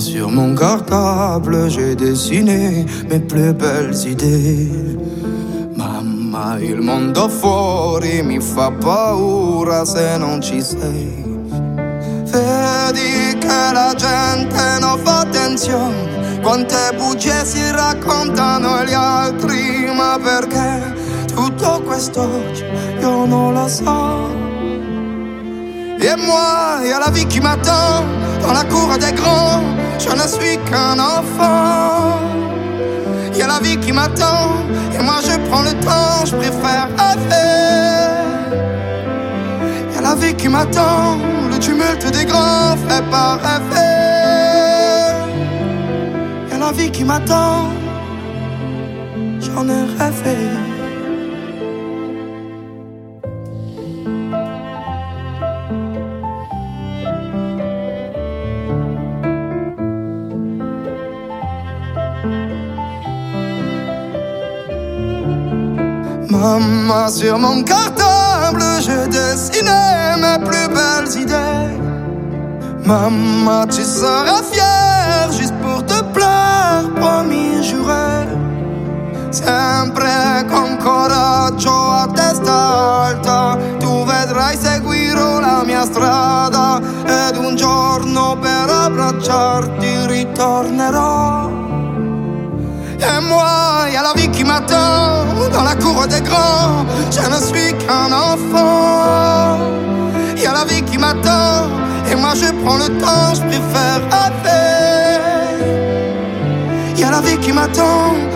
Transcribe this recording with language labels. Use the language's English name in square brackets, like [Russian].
[French] mon cartable, j'ai dessiné mes plus belles idées. [Italian] Mamma, il mondo fuori mi fa paura se non ci sei. Vedi che la gente non fa attenzione, quante bugie si raccontano gli altri, ma perché tutto quest'oggi io non lo so. [French] Et moi, il y a la vie qui m'attend dans la cour des grands, je ne suis qu'un enfant. Il y a la vie qui m'attend et moi je prends le temps, je préfère rêver. Il y a la vie qui m'attend, le tumulte des grands fait pas rêver. Il y a la vie qui m'attend, j'en ai rêvé. Mamma, sur mon cartable, je dessinais mes plus belles idées. Mamma, tu seras fière juste pour te plaire, promis juré. [Italian] Sempre con coraggio a testa alta, tu vedrai, seguirò la mia strada. Ed un giorno per abbracciarti ritornerò. [French] Et moi, y a la vie qui m'attend dans la cour des grands. Je ne suis qu'un enfant. Y a la vie qui m'attend et moi je prends le temps. Je préfère rêver. Y a la vie qui m'attend.